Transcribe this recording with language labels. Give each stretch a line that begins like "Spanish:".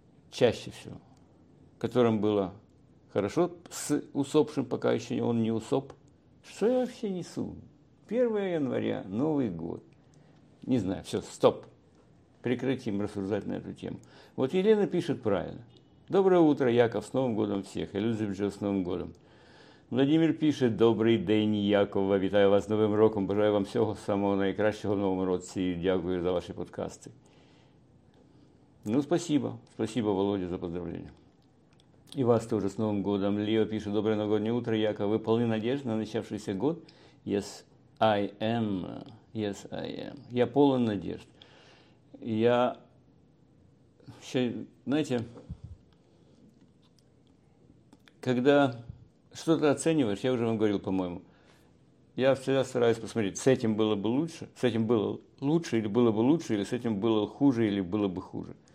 Russian: Чаще всего. Которым было хорошо с усопшим, пока еще он не усоп. Что я вообще несу? 1 января, Новый год. Не знаю, все, стоп. Прекратим рассуждать на эту тему. Вот Елена пишет правильно. Доброе утро, Яков, с Новым годом всех. Элизабет, с Новым годом.
Ukrainian: Владимир пишет: добрий день, Якова, вітаю вас з Новим роком, бажаю вам всього самого найкращого в Новому році, дякую за ваші подкасти.
Russian: Ну, спасибо, спасибо, Володя, за поздравлення.
Ukrainian: І вас теж з Новим годом. Ліо пише: добре новогоднє утро, Яков, ви повні надіжди на почавшийся год?
English: Yes, I am, yes, I am.
Ukrainian: Я повний надіжд. Я ще, знаєте,
Russian: когда что-то оцениваешь, я уже вам говорил, по-моему, я всегда стараюсь посмотреть, с этим было бы лучше, с этим было лучше или было бы лучше, или с этим было хуже или было бы хуже.